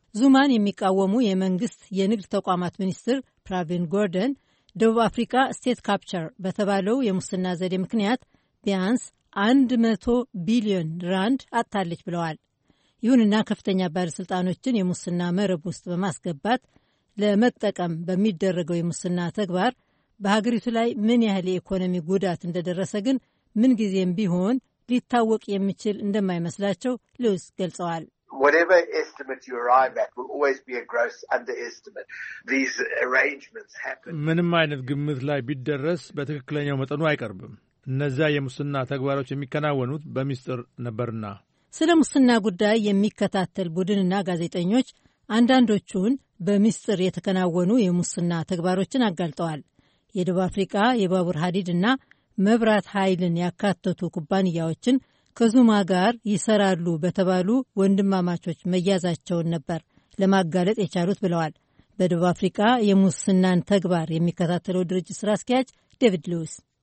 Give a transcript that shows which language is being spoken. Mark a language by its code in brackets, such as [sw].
[am] ዙማን የሚቃወሙ የመንግስት የንግድ ተቋማት ሚኒስትር ፕራቪን ጎርደን ደቡብ አፍሪካ ስቴት ካፕቸር በተባለው የሙስና ዘዴ ምክንያት ቢያንስ 100 ቢሊዮን ራንድ አጥታለች ብለዋል። ይሁንና ከፍተኛ ባለስልጣኖችን የሙስና መረብ ውስጥ በማስገባት ለመጠቀም በሚደረገው የሙስና ተግባር በሀገሪቱ ላይ ምን ያህል የኢኮኖሚ ጉዳት እንደደረሰ ግን ምን ጊዜም ቢሆን ሊታወቅ የሚችል እንደማይመስላቸው ልውስ ገልጸዋል። [en] Whatever estimate you arrive at will always be a gross underestimate. These arrangements happen. [am] ምንም አይነት ግምት ላይ ቢደረስ በትክክለኛው መጠኑ አይቀርብም። እነዚያ የሙስና ተግባሮች የሚከናወኑት በሚስጥር ነበርና። ስለ ሙስና ጉዳይ የሚከታተል ቡድንና ጋዜጠኞች አንዳንዶቹን በሚስጥር የተከናወኑ የሙስና ተግባሮችን አጋልጠዋል። የደቡብ አፍሪካ የባቡር ሐዲድና መብራት ኃይልን ያካተቱ ኩባንያዎችን ከዙማ ጋር ይሰራሉ በተባሉ ወንድማማቾች መያዛቸውን ነበር ለማጋለጥ የቻሉት ብለዋል። በደቡብ አፍሪካ የሙስናን ተግባር የሚከታተለው ድርጅት ስራ አስኪያጅ ዴቪድ ሉዊስ